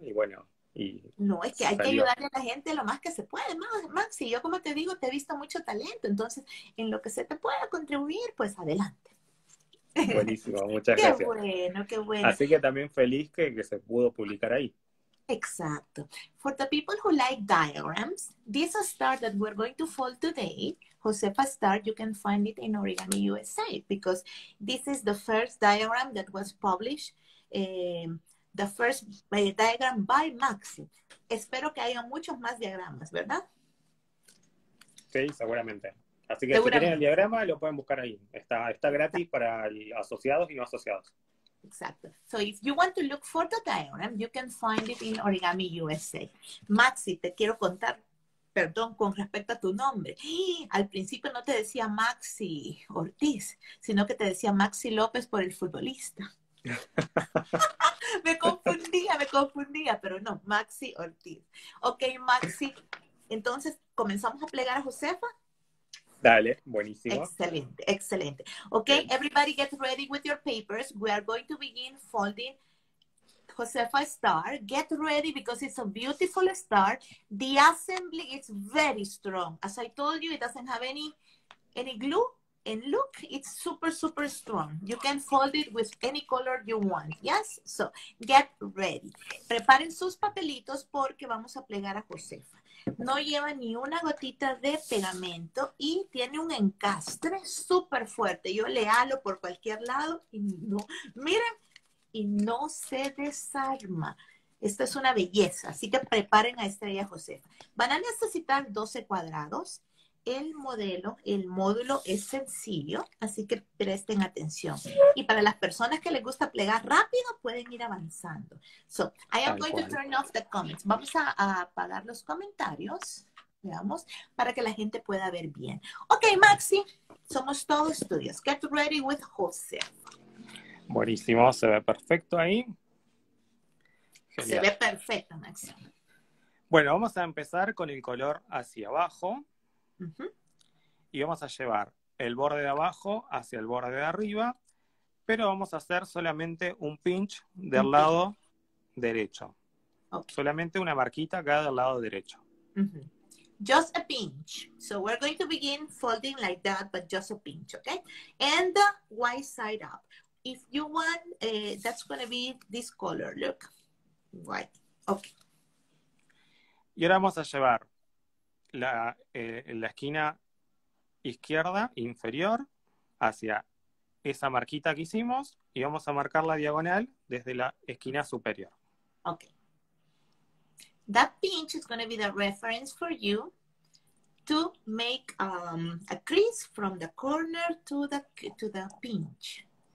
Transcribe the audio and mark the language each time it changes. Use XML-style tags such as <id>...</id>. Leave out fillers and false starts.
<es>Y bueno, y No, es que hay que salió. ayudarle a la gente lo más que se puede. Maxi, yo como te digo, te he visto mucho talento. Entonces, en lo que se te pueda contribuir, pues adelante. Buenísimo, muchas Qué gracias. bueno, qué bueno. Así que también feliz que se pudo publicar ahí. Exacto.</es> <en>For the people who like diagrams, this star that we're going to fold today, Josefa Star, you can find it in Origami USA because this is the first diagram that was published, the first diagram by Maxi.</en> <es>Espero que haya muchos más diagramas, ¿verdad? Sí, seguramente. Así que si quieren el diagrama, lo pueden buscar ahí. Está gratis para asociados y no asociados. Exacto.</es> <en>So if you want to look for the diagram, you can find it in Origami USA.</en> <es>Maxi, te quiero contar, perdón, con respecto a tu nombre. Al principio no te decía Maxi Ortiz, sino que te decía Maxi López por el futbolista. me confundía, pero no, Maxi Ortiz. Ok, Maxi, entonces comenzamos a plegar a Josefa. Dale, buenísimo. Excelente. Okay, bien.</es> <en>Everybody get ready with your papers. We are going to begin folding Josefa star. Get ready because it's a beautiful star. The assembly is very strong. As I told you, it doesn't have any glue. And look, it's super, super strong. You can fold it with any color you want. Yes? So, get ready.</en> <es>Preparen sus papelitos porque vamos a plegar a Josefa. No lleva ni una gotita de pegamento y tiene un encastre súper fuerte. Yo le halo por cualquier lado y no, miren, y no se desarma. Esto es una belleza, así que preparen a Estrella Josefa. Van a necesitar 12 cuadrados. El módulo es sencillo, así que presten atención. Y para las personas que les gusta plegar rápido, pueden ir avanzando.</es> <en>So, I am going to turn off the comments.</en> <es>Vamos a apagar los comentarios, digamos, para que la gente pueda ver bien. Ok, Maxi, somos todos tuyos.</es> <en>Get ready with Jose.</en> <es>Buenísimo, se ve perfecto ahí. Genial. Se ve perfecto, Maxi. Bueno, vamos a empezar con el color hacia abajo. Y vamos a llevar el borde de abajo hacia el borde de arriba, pero vamos a hacer solamente un pinch del lado derecho. Okay. Solamente una marquita acá del lado derecho.</es> <en>Just a pinch. So we're going to begin folding like that, but just a pinch, okay? And the white side up. If you want, that's going to be this color. Look. White. Okay.</en> <es>Y ahora vamos a llevar la esquina izquierda inferior hacia esa marquita que hicimos y vamos a marcar la diagonal desde la esquina superior.</es> <en>Okay. That pinch is going to be the reference for you to make a crease from the corner to the pinch.</en>